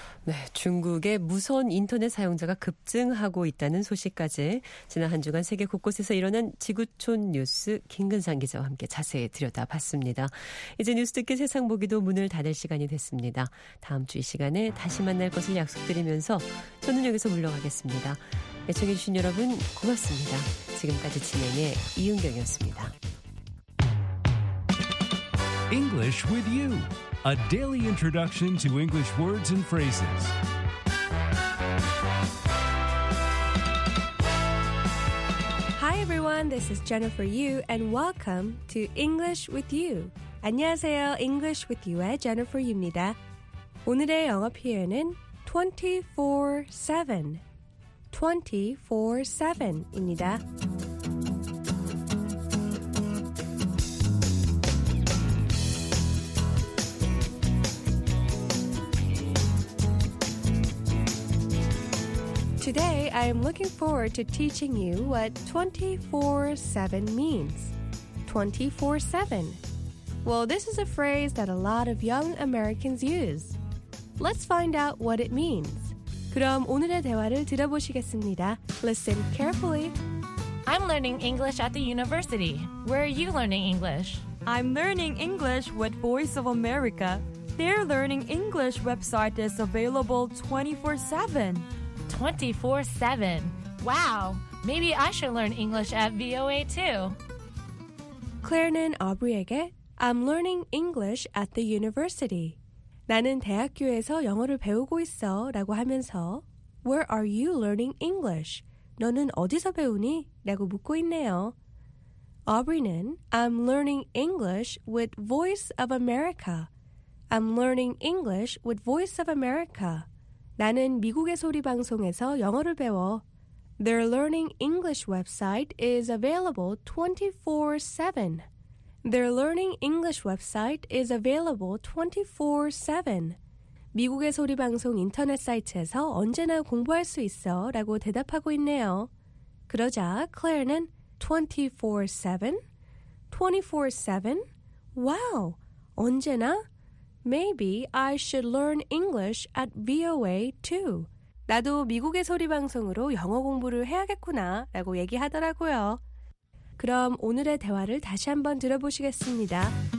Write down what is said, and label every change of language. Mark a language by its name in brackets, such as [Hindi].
[Korean] 네, 중국의 무선 인터넷 사용자가 급증하고 있다는 소식까지 지난 한 주간 세계 곳곳에서 일어난 지구촌 뉴스 김근상 기자와 함께 자세히 들여다봤습니다. 이제 뉴스 듣기 세상 보기도 문을 닫을 시간이 됐습니다. 다음 주 이 시간에 다시 만날 것을 약속드리면서 저는 여기서 물러가겠습니다. 애청해주신 여러분 고맙습니다. 지금까지 진행의 이은경이었습니다. [English] English with you. A daily introduction to English words and phrases. Hi everyone, this is Jennifer Yu and welcome to English with You. [Korean] 안녕하세요, English with You의 Jennifer Yu입니다. 오늘의 영어 표현은 24/7입니다. [English] Today, I am looking forward to teaching you what 24/7 means. 24/7. Well, this is a phrase that a lot of young Americans use. Let's find out what it means. [Korean] 그럼 오늘의 대화를 들어보시겠습니다. [English] Listen carefully. I'm learning English at the university. Where are you learning English? I'm learning English with Voice of America. Their learning English website is available 24/7. 24/7. Wow! Maybe I should learn English at VOA too. [Korean] Claire는 Aubrey에게 [English] I'm learning English at the university. [Korean] 나는 대학교에서 영어를 배우고 있어 라고 하면서 [English] Where are you learning English? [Korean] 너는 어디서 배우니? 라고 묻고 있네요. [English] Aubrey는 I'm learning English with Voice of America. I'm learning English with Voice of America. [Korean] 나는 미국의 소리 방송에서 영어를 배워. [English] Their learning English website is available 24/7. Their learning English website is available 24/7. [Korean] 미국의 소리 방송 인터넷 사이트에서 언제나 공부할 수 있어 라고 대답하고 있네요. 그러자 클레어는 [English] 24/7? 24/7? Wow! [Korean] 언제나? [English] Maybe I should learn English at VOA too. [Korean] 나도 미국의 소리 방송으로 영어 공부를 해야겠구나 라고 얘기하더라고요. 그럼 오늘의 대화를 다시 한번 들어보시겠습니다.